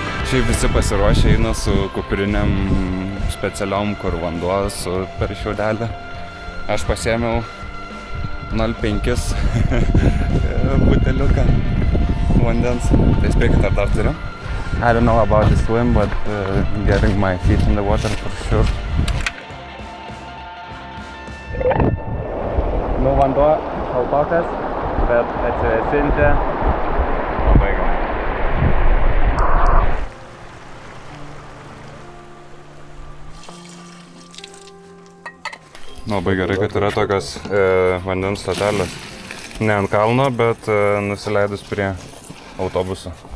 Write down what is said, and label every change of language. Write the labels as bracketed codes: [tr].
[lt] Šiaip visi pasiruošę eina su kuprinėm specialiom, kur vanduo su per šiaudelį. Aš pasiėmiau 0,5 buteliuką vandens. Tai spėkite, ar dar turiu? [en] I don't know about the swim, but getting my feet in the water for sure. [lt] Nu vanduo šaltokas, bet atsivėsinti. Labai gerai, kad yra tokios vandens stotelės. Ne ant kalno, bet nusileidus prie autobuso.